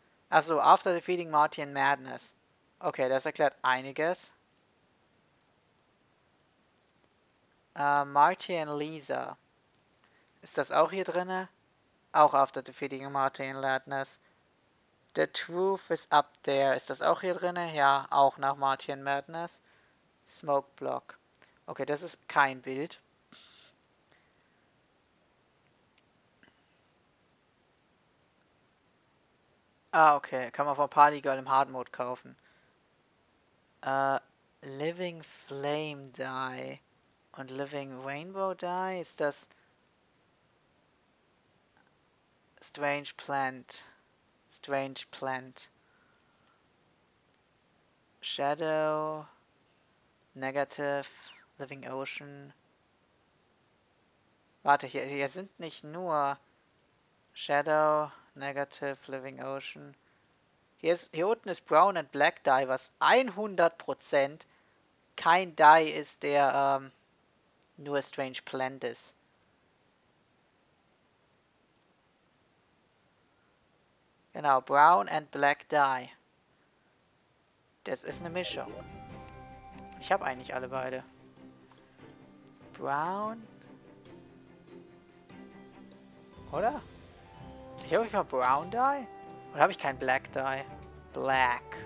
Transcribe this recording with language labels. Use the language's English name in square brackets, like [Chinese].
[German] Achso, [English] after defeating Martian Madness. [German] Okay, das erklärt einiges. Martian Lisa. Ist das auch hier drinne? Auch [English] after defeating Martian Madness. The truth is up there. [German] Ist das auch hier drinne? Ja, auch nach Martian Madness. Smoke Block. Okay, das ist kein Bild. Ah, okay. Kann man von Party Girl im Hard Mode kaufen. Living Flame Die und Living Rainbow Die. Ist das Strange Plant? Strange Plant. Shadow. Negative. Living Ocean. Warte, hier sind nicht nur Shadow. Negative Living Ocean. Hier unten ist Brown and Black Dye, was 100% kein Dye ist, der nur Strange Plant ist. Genau, Brown and Black Dye. Das ist eine Mischung. Ich habe eigentlich alle beide. Brown. Oder? Ich habe ich mal Brown Dye? Oder habe ich kein Black Dye? Black.